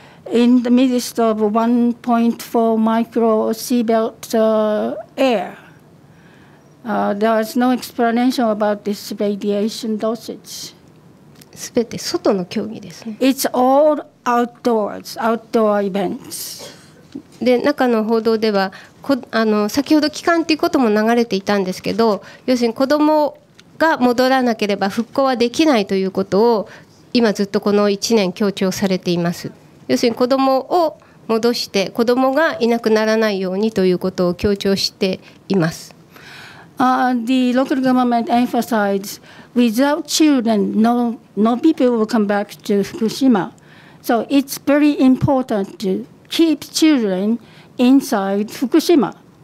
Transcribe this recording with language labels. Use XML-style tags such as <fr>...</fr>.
<en>In the midst of 1.4 micro seabelt air, there was no explanation about this radiation dosage.</en> <ja>すべて外の競技ですね。</ja> <en>It's all outdoors, outdoor events.</en> <ja>で、中の報道では、先ほど帰還ということも流れていたんですけど、要するに子どもが戻らなければ復興はできないということを今ずっとこの1年強調されています。要するに子どもを戻して、子どもがいなくならないようにということを強調しています。</ja> <en>The local government emphasizes without children, no people will come back to Fukushima. So it's very important to keep children inside Fukushima.</en>